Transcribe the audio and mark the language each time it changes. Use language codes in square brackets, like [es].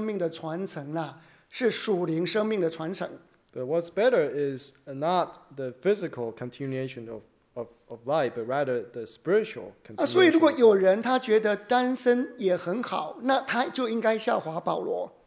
[zh] 但是其实更好的不只是属肉体生命的传承啦，是属灵生命的传承。 [en] But what's better is not the physical continuation of life, but rather the spiritual continuation. [zh] 所以如果有人他觉得单身也很好，那他就应该效法保罗。